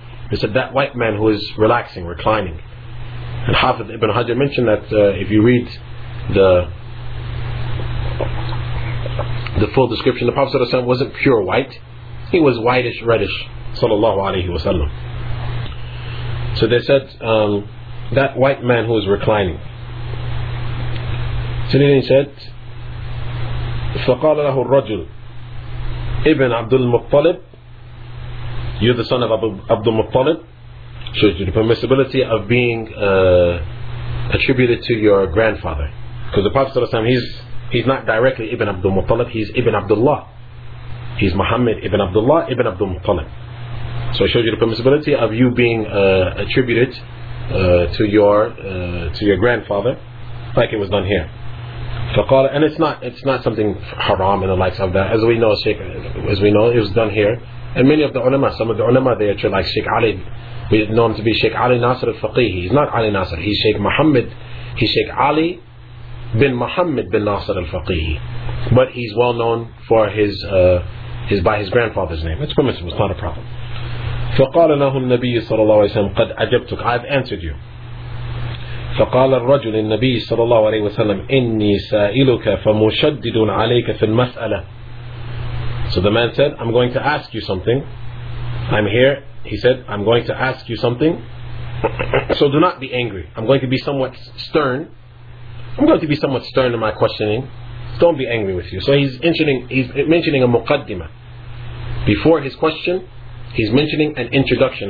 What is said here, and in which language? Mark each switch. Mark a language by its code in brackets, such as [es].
[en] They said, that white man who is relaxing, reclining. And Hafidh Ibn Hajar mentioned that if you read the full description, the Prophet ﷺ wasn't pure white. He was whitish, reddish, sallallahu alayhi wa sallam. So they said, that white man who is reclining. [ar] So then he said, فقال له الرجل ابن عبد المطلب. [en] You're the son of Abu Muttalib. So the permissibility of being attributed to your grandfather, because the Prophet ﷺ, he's not directly ibn Abd al-Muttalib, he's ibn Abdullah. He's Muhammad ibn Abdullah ibn Abd al-Muttalib. So I showed you the permissibility of you being attributed to your grandfather, like it was done here. [ar] فقال, [en] and it's not something haram and the likes of that. As we know, it was done here. And many of the ulama, some of the ulama, they are like Sheikh Ali. We know him to be Sheikh Ali Nasir al-Faqih. He's not Ali Nasir. He's Sheikh Muhammad. He's Sheikh Ali bin Muhammad bin Nasir al-Faqih. But he's well known for his by his grandfather's name. It's permissible. It's not a problem. [ar] فقال له النبي صلى الله عليه وسلم قد أجبتك. [en] I've answered you. [ar] فقال الرجل النبي صلى الله عليه وسلم إني سائلك فمشدد عليك في المسألة. [en] So the man said, I'm going to ask you something. I'm here. He said, I'm going to ask you something. So do not be angry. I'm going to be somewhat stern in my questioning. don't be angry with you. So he's mentioning a muqaddimah. Before his question, he's mentioning an introduction.